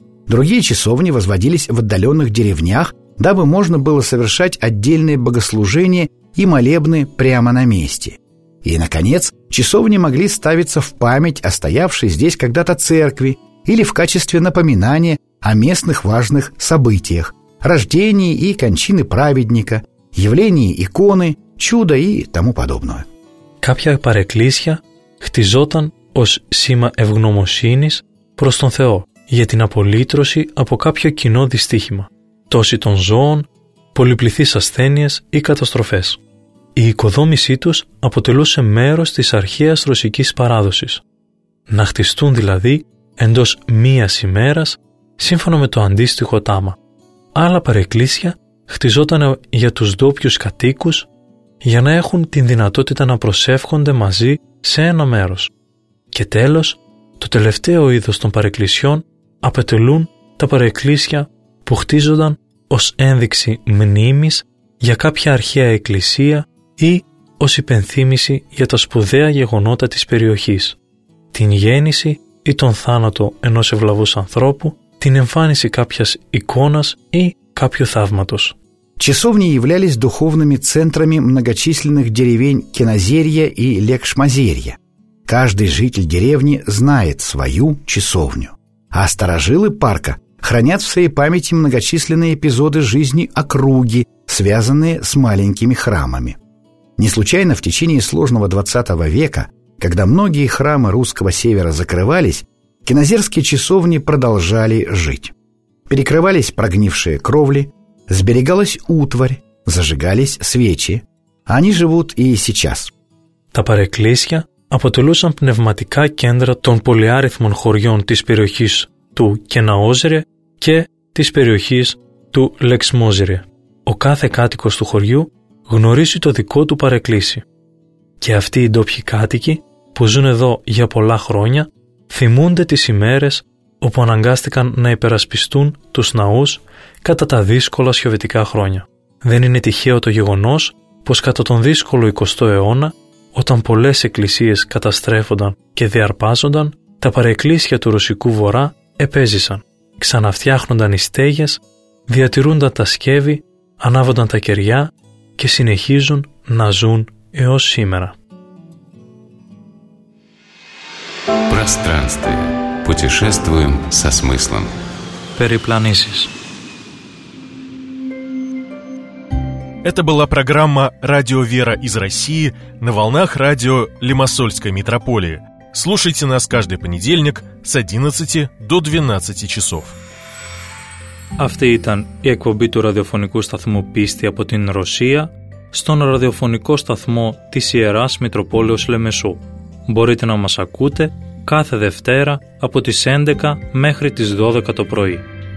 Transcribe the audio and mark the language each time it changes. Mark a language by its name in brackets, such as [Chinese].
[Russian] Другие часовни возводились в отдаленных деревнях, дабы можно было совершать отдельные богослужения и молебны прямо на месте. И, наконец, часовни могли ставиться в память о стоявшей здесь когда-то церкви или в качестве напоминания о местных важных событиях, рождении и кончине праведника, явлении иконы, чуда и тому подобное. [Greek] Κάποια παρεκκλήσια χτιζόταν ως σήμα ευγνωμοσύνης προς τον Θεό για την απολύτρωση από κάποιο κοινό δυστύχημα, τόση των ζώων, πολυπληθείς ασθένειες ή καταστροφές. Η οικοδόμησή τους αποτελούσε μέρος της αρχαίας ρωσικής παράδοσης. Να χτιστούν δηλαδή εντός μίας ημέρας σύμφωνα με το αντίστοιχο τάμα. Άλλα παρεκκλήσια χτιζόταν για τους ντόπιους κατοίκους για να έχουν την δυνατότητα να προσεύχονται μαζί σε ένα μέρος. Και τέλος, το τελευταίο είδος των παρεκκλησιών απαιτελούν τα παρεκκλήσια που χτίζονταν ως ένδειξη μνήμης για κάποια αρχαία εκκλησία ή ως υπενθύμηση για τα σπουδαία γεγονότα της περιοχής, την γέννηση ή τον θάνατο ενός ευλαβούς ανθρώπου, την εμφάνιση κάποιας εικόνας ή κάποιου θαύματος. [Russian] Часовни являлись духовными центрами многочисленных деревень Кеназерья и Лекшмазерья. Каждый житель деревни знает свою часовню. А старожилы парка хранят в своей памяти многочисленные эпизоды жизни округи, связанные с маленькими храмами. Не случайно в течение сложного 20 века, когда многие храмы русского севера закрывались, кеназерские часовни продолжали жить. Перекрывались прогнившие кровли, сберегалась утварь, зажигались свечи. Они живут и сейчас. [Greek] Τα παρεκκλήσια αποτελούσαν πνευματικά κέντρα των πολυάριθμων χωριών της περιοχής του Κεναόζερε και της περιοχής του Λεξμόζερε. Ο κάθε κάτοικος του χωριού γνωρίζει το δικό του παρεκκλήσι. Και αυτοί οι ντόπιοι κάτοικοι που ζουν εδώ για πολλά χρόνια θυμούνται τις ημέρες όπου αναγκάστηκαν να υπερασπιστούν τους ναούς κατά τα δύσκολα σιωβετικά χρόνια. Δεν είναι τυχαίο το γεγονός πως κατά τον δύσκολο 20ο αιώνα, όταν πολλές εκκλησίες καταστρέφονταν και διαρπάζονταν, τα παρεκκλήσια του Ρωσικού Βορρά επέζησαν. Ξαναφτιάχνονταν οι στέγες, διατηρούνταν τα σκεύη, ανάβονταν τα κεριά και συνεχίζουν να ζουν έως σήμερα. [Russian] Пространство. Путешествуем со смыслом. [Greek] Перепланисис. [Russian] Это была программа «Радио Вера из России» на волнах радио Лимассольской митрополии. Слушайте нас каждый понедельник с 11 до 12 часов. [Greek] Αυτή ήταν η εκπομπή του ραδιοφωνικού σταθμού «Πίστη» από την Ρωσία στον ραδιοφωνικό σταθμό της Ιεράς Μητροπόλεως Λεμεσού. Μπορείτε να μας ακούτε κάθε Δευτέρα από τις 11 μέχρι τις 12 το πρωί.